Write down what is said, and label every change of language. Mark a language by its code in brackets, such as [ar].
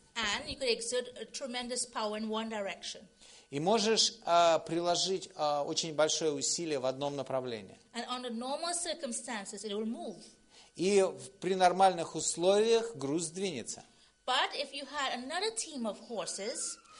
[en] And you could exert a tremendous power in one direction. [ru] И можешь приложить очень большое усилие в одном направлении. [en] And under normal circumstances, it will move. [ru] И при нормальных условиях груз сдвинется. [en] But if you had another team of horses,